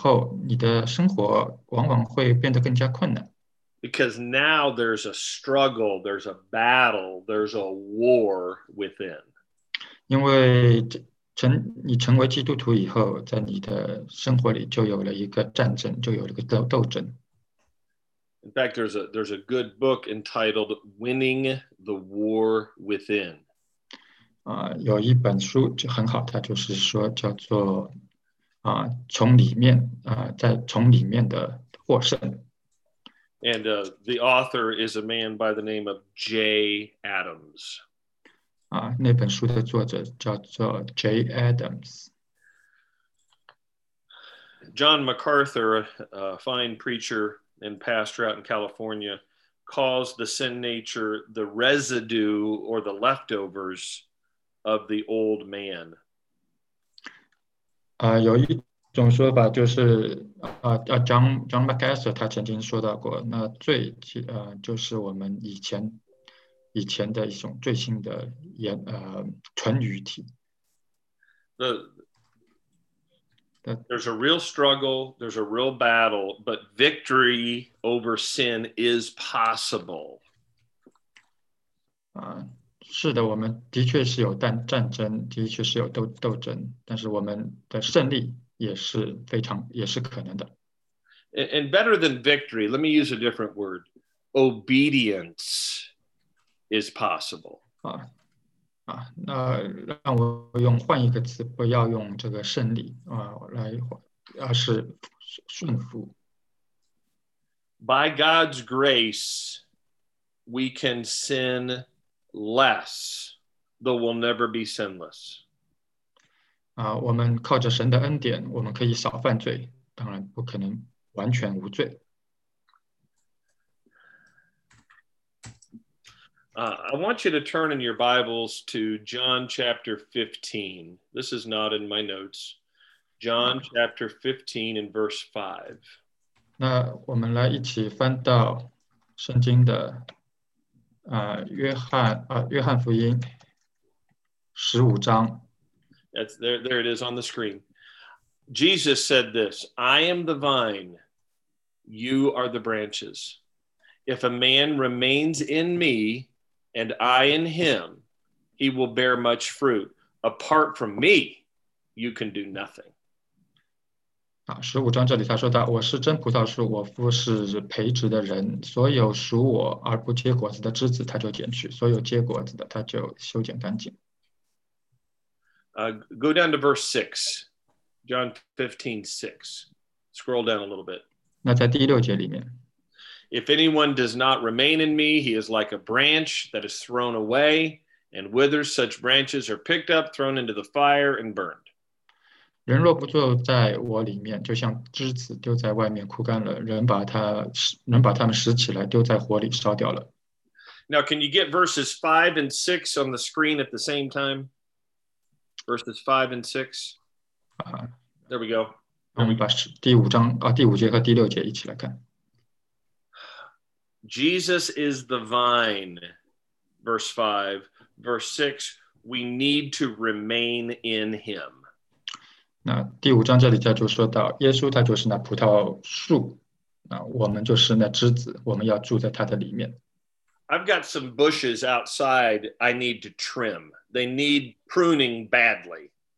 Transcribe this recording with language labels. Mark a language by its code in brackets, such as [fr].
[zh] 我在前面提到过，当你成为一个基督徒的以后，你的生活往往会变得更加困难。 [en] Because now there's a struggle, there's a battle, there's a war within. [zh] 因为你成为基督徒以后，在你的生活里就有了一个战争，就有了一个斗争。 [en] In fact, there's a good book entitled Winning the War Within. [zh] 有一本书就很好,它就是说叫做从里面的获胜。 [en] And the author is a man by the name of Jay Adams. [zh] 那本书的作者叫做Jay Adams. [en] John MacArthur, a fine preacher and pastor out in California, calls the sin nature the residue or the leftovers of the old man. [zh] 有一种说法就是John MacArthur 他曾经说到过,那罪就是我们以前以前的一种最新的纯语体。 [en] There's a real struggle, there's a real battle, but victory over sin is possible. [zh] 是的，我们的确是有战争，的确是有斗争，但是我们的胜利也是非常，也是可能的。 [en] And better than victory, let me use a different word. Obedience is possible. [zh] 那让我用换一个词，不要用这个胜利来，而是顺服。 [en] By God's grace, we can sin less, though we'll never be sinless. [zh] 我们靠着神的恩典，我们可以少犯罪，当然不可能完全无罪。 [en] I want you to turn in your Bibles to John chapter 15. This is not in my notes. John chapter 15 and verse 5. [zh] 那我们来一起翻到圣经的约翰福音十五章。 [en] That's there it is on the screen. Jesus said this, I am the vine, you are the branches. If a man remains in me,And I in him, he will bear much fruit. Apart from me, you can do nothing. [zh] 十五章这里他说到，我是真葡萄树，我父是培植的人。所有属我而不结果子的枝子，他就剪去；所有结果子的，他就修剪干净。 [en] Go down to verse 6, John 15, 6. Scroll down a little bit. [zh] 那在第六节里面。 [en] If anyone does not remain in me, he is like a branch that is thrown away and withers. Such branches are picked up, thrown into the fire, and burned. [zh] 人若不住在我里面，就像枝子丢在外面枯干了，人把它们拾起来，丢在火里烧掉了。 [en] Now, can you get verses 5 and 6 on the screen at the same time? Verses 5 and 6. There we go. [zh] 我们把第五章第五节和第六节一起来看。 [en] Jesus is the vine, verse 5. Verse 6, we need to remain in him. [zh] 那第五章这里就说到耶稣他就是那葡萄树，我们就是那枝子，我们要住在他的里面。 [en] I've got some bushes outside I need to trim. They need pruning badly.